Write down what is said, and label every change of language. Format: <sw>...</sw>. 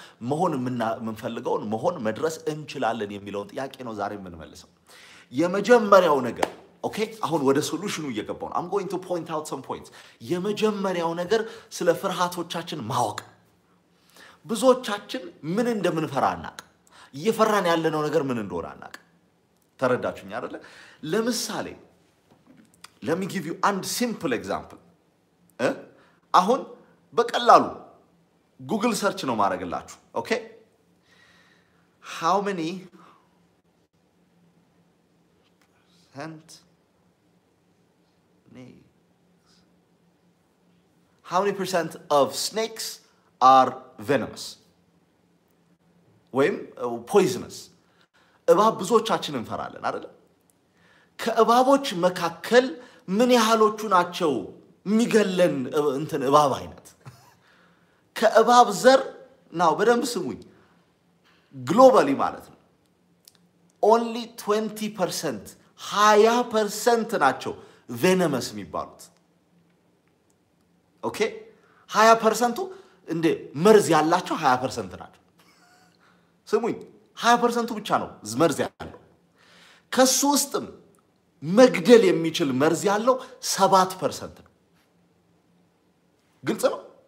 <am>መሆን ምንፈልገውን መሆን መድረስ እንችላለን የሚለውን ጥያቄ ነው ዛሬ የምንመለሰው። የመጀመሪያው ነገር ኦኬ አሁን ወደ ሶሉሽኑ እየገባን</am> <en>አም ጎይንግ ቱ ፖይንት አውት ሰም ፖይንትስ።</en> <am>የመጀመሪያው ነገር ስለ ፍርሃቶቻችን ማወቅ። ብዙዎቻችን ምን እንደምንፈራ አናቅ፣ እየፈራን ያለነው ነገር ምን እንደሆነ አናቅ። ተረዳችሁኝ አይደለ? ለምሳሌ</am> <en>let me give you and simple example</en> <am>አሁን በቀላሉ ጉግል ሰርች ነው ማረግላችሁ። ኦኬ</am> <en>how many percent snakes how many percent of snakes are venomous</en> <am>ወይም poisonous? እባብ ብዙዎቻችንን ፈራለን አይደል? ከእባቦች መካከል ምን ያህሎቹ ናቸው ሚገለን እንትን እባብ አይነት? ከእባብ ዘር ነው በደንብ ስሙኝ፣ ግሎባሊ ማለት ነው only 20% 20% ናቸው venomous የሚባሉት። ኦኬ 20%ቱ እንደ መርዝ ያላቸው 20% ናቸው። ስሙኝ 20%ቱ ብቻ ነው መርዝ ያለው። ከሱ ውስጥም መግደል የሚችል መርዝ ያለው 7% ነው። ግልጽ ነው?</am>